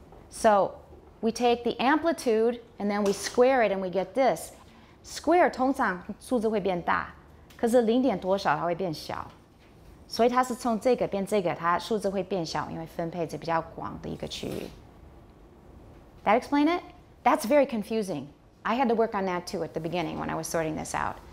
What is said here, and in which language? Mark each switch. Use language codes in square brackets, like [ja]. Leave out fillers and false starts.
[en] So we take the amplitude and then we square it and we get this. [zh] Square 通常数字会变大，可是零点多少它会变小。所以它是从这个变这个，它数字会变小，因为分配着比较广的一个区域。 [en] That explain it? That's very confusing. I had to work on that too at the beginning when I was sorting this out.